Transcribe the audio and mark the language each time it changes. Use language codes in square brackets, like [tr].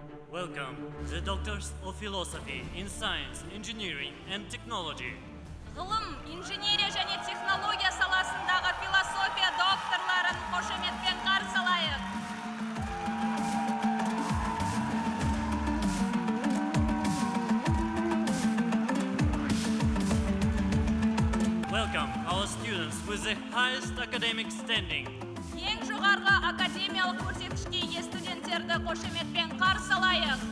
[en] Welcome, the Doctors of Philosophy in Science, Engineering and Technology. [kk] ғылым, инженерия және технология саласындағы философия докторларын қошеметпен қарсы алайық. [en] Welcome, our students with the highest academic standing. [kk] Ең жоғарғы академиялық көрсеткішке ие студенттерді қошеметпен қарсы алайық.